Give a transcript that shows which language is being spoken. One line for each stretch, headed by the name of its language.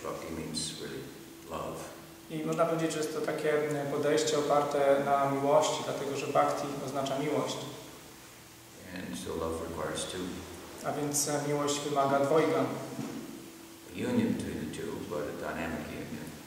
English: Bhakti means really love.
Polish: I można powiedzieć, że jest to takie podejście oparte na miłości, dlatego że bhakti oznacza miłość.
English: And so love requires two.
Polish: A więc miłość wymaga dwojga.
English: A union between the two, but a dynamic union.